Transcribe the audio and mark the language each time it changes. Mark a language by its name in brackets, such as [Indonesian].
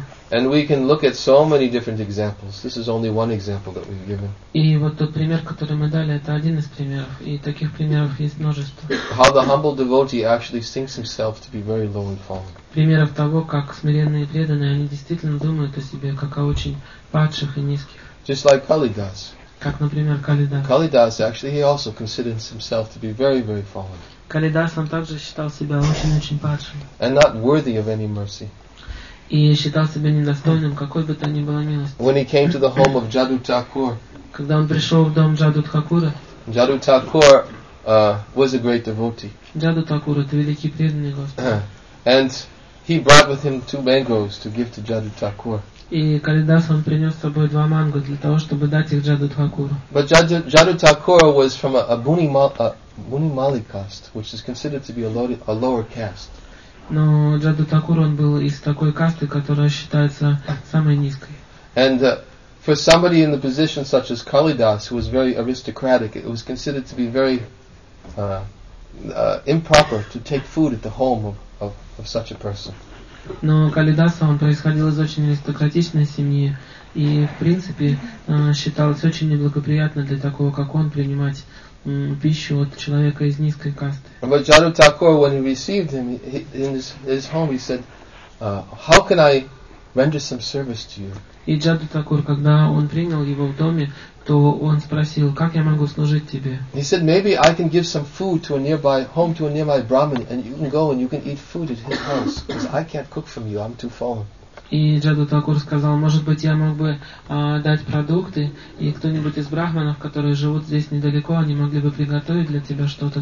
[English] And we can look at so many different examples. This is only one example that we've given. [Russian] И вот тот пример, который мы дали, это один из примеров. И таких примеров есть множество. [English] How the humble devotee actually thinks himself to be very low and fallen. [Russian] Примеров того, как смиренные преданные, они действительно думают о себе как о очень падших и низких. [English] Just like Kali does. [Russian] Как, например, Калидас. [English] Калидас, actually, he also considers himself to be very, very fallen. [Russian] Калидас, он также считал себя очень-очень падшим. [English] And not worthy of any mercy. [Russian] И считал себя недостойным какой бы то ни было милости. [English] When he came to the home of Jadu Thakur. [Russian] Когда он пришел в дом Джаду Тхакура. [English] Jadu Thakur was a great devotee. [Russian] Джаду Тхакур, это великий преданный Господь. [English] And he brought with him two mangoes to give to Jadu Thakur. [Russian] И Калидас он принес с собой два манго для того, чтобы дать их Джаду Тхакуру. [English] But Jadu Thakur was from a Bunimali caste, which is considered to be a lower caste. [Russian] Но Джаду Тхакур он был из такой касты, которая считается самой низкой. [English] And for somebody in the position such as Kalidas, who was very aristocratic, it was considered to be very improper to take food at the home of such a person. [Russian] Но Калидаса, он происходил из очень аристократичной семьи, и, в принципе, считалось очень неблагоприятно для такого, как он, принимать пищу от человека из низкой касты. [English] But Jadu Thakur, when he received him in his home, he said, how can I render some service to you? [Russian] И Jadu Thakur, когда он принял его в доме, то он спросил, как я могу служить тебе? [English] He said, maybe I can give some food to a nearby home, to a nearby Brahmin, and you can go and you can eat food at his house, because I can't cook from you, I'm too fallen. [Russian] И Джаду Такур сказал, может быть, я мог бы дать продукты, и кто-нибудь из брахманов, которые живут здесь недалеко, они могли бы приготовить для тебя что-то.